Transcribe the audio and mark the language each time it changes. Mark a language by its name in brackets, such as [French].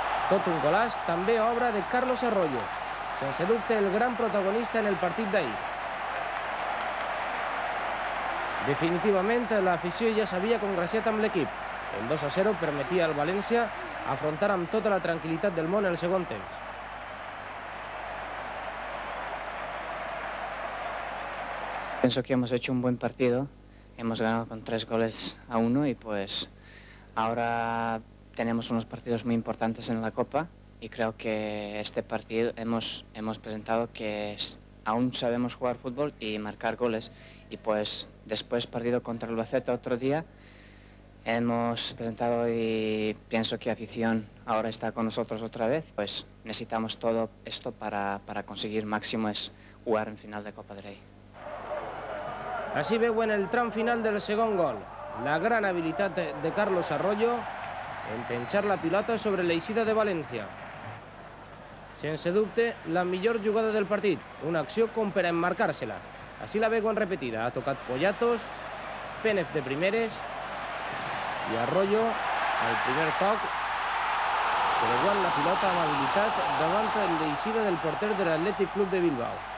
[Catalan] Tot un golaç, també obra de Carlos Arroyo. Sense dubte, el gran protagonista en el partit d'ahir. Definitivament, l'afició ja s'havia congraciat amb l'equip. El 2-0 permetia al València afrontar amb tota la tranquil·litat del món el segon temps. [Spanish] Penso que hemos hecho un buen partido. Hemos ganado con 3-1 y pues ahora tenemos unos partidos muy importantes en la Copa y creo que este partido hemos presentado que aún sabemos jugar fútbol y marcar goles. Y pues después partido contra el Albacete otro día hemos presentado y pienso que afición ahora está con nosotros otra vez. Pues necesitamos todo esto para conseguir máximo es jugar en final de Copa del Rey. [Catalan] Així veuen el tram final del segon gol. La gran habilitat de Carlos Arroyo en penjar la pilota sobre l'eixida de València. Sense dubte, la millor jugada del partit. Una acció com per a emmarcar-se-la. Així la veuen repetida. Ha tocat Poyatos, Penev de primeres i Arroyo al primer toc creuant la pilota amb habilitat davant l'eixida del porter de l'Atlètic Club de Bilbao.